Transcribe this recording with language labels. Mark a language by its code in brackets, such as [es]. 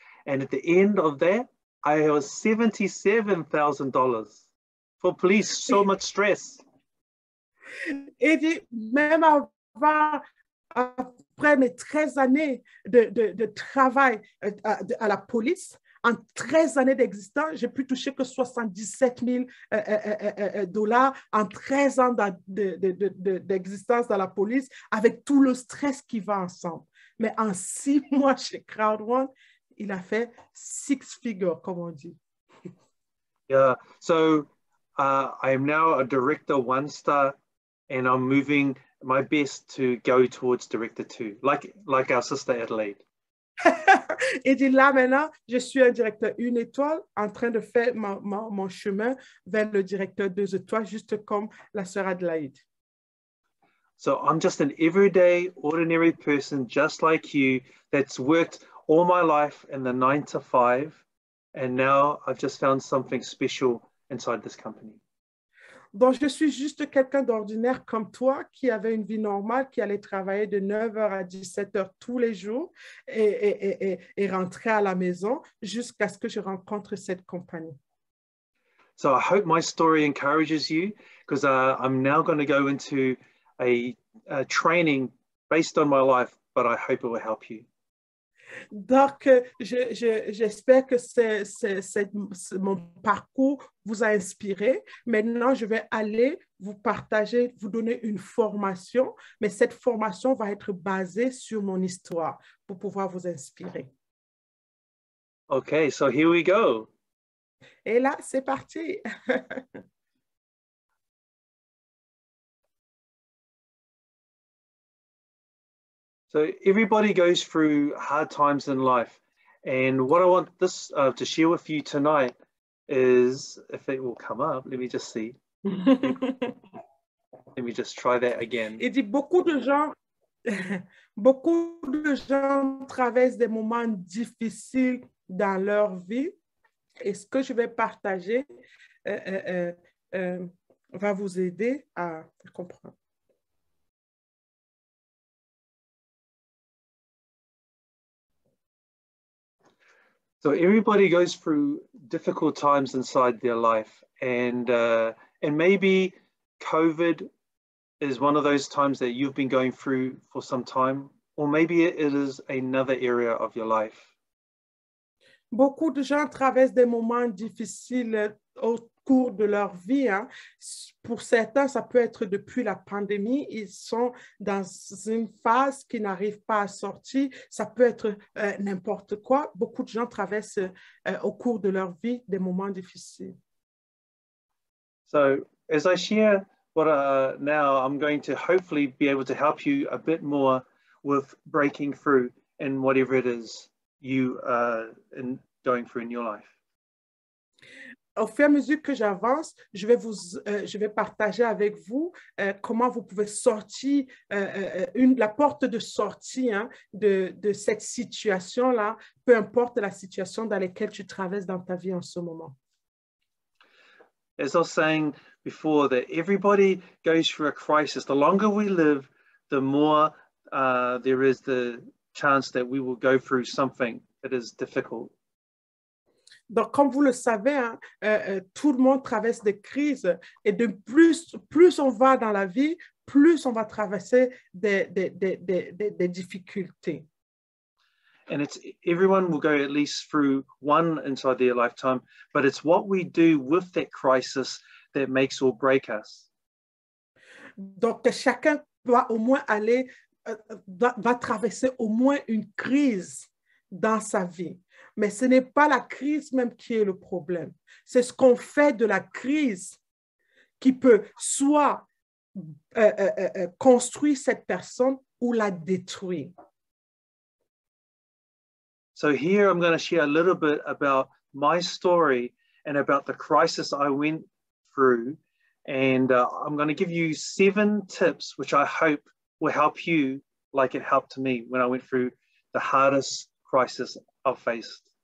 [en] And at the end of that, I was $77,000 for police. So much stress. [fr] Et même avant, après mes 13 années de travail à la police, en 13 années d'existence, j'ai pu toucher que $77,000 en 13 ans d'existence dans la police avec tout le stress qui va ensemble. Mais en 6 mois chez Crowd One, il a fait six figures, comme on dit. [en] Yeah, so I am now a director one star and I'm moving my best to go towards director two, like our sister Adelaide. [fr] Et dit là maintenant, je suis un directeur une étoile en train de faire mon chemin vers le directeur deux étoiles, juste comme la sœur Adelaide. [en] So I'm just an everyday, ordinary person, just like you, that's worked all my life in the 9 to 5. And now I've just found something special inside this company. [fr] Donc, je suis juste quelqu'un d'ordinaire comme toi qui avait une vie normale, qui allait travailler de 9h à 17h tous les jours et rentrer à la maison jusqu'à ce que je rencontre cette compagnie. [en] So I hope my story encourages you because I'm now going to go into a training based on my life, but I hope it will help you. [fr] Donc, j'espère que mon parcours vous a inspiré. Maintenant, je vais aller vous partager, vous donner une formation, mais cette formation va être basée sur mon histoire pour pouvoir vous inspirer. [en] OK, so here we go. [fr] Et là, c'est parti. [en] So everybody goes through hard times in life, and what I want this to share with you tonight is, if it will come up, let me just see. Let me just try that again. [fr] Il dit beaucoup de gens traversent des moments difficiles dans leur vie, et ce que je vais partager va vous aider à comprendre. [en] So everybody goes through difficult times inside their life, and maybe COVID is one of those times that you've been going through for some time, or maybe it is another area of your life. [fr] Beaucoup de gens traversent des moments difficiles au cours de leur vie. Hein. Pour certains, ça peut être depuis la pandémie. Ils sont dans une phase qu'ils n'arrivent pas à sortir. Ça peut être n'importe quoi. Beaucoup de gens traversent au cours de leur vie des moments difficiles. [en] So, as I share what now, I'm going to hopefully be able to help you a bit more with breaking through in whatever it is you in going through in your life. [fr] Au fur et à mesure que j'avance, je vais partager avec vous comment vous pouvez sortir la porte de sortie hein, de cette situation-là, peu importe la situation dans laquelle tu traverses dans ta vie en ce moment. [en] As I was saying before, that everybody goes through a crisis. The longer we live, the more there is the chance that we will go through something that is difficult. [fr] Donc, comme vous le savez, hein, tout le monde traverse des crises et de plus on va dans la vie, plus on va traverser des difficultés. [en] And it's everyone will go at least through one inside their lifetime, but it's what we do with that crisis that makes or break us. [fr] Donc, chacun va au moins aller, va traverser au moins une crise dans sa vie. Mais ce n'est pas la crise même qui est le problème. C'est ce qu'on fait de la crise qui peut soit construire cette personne ou la détruire. [en] So here I'm going to share a little bit about my story and about the crisis I went through. And I'm going to give you 7 tips, which I hope will help you like it helped me when I went through the hardest crisis I've faced.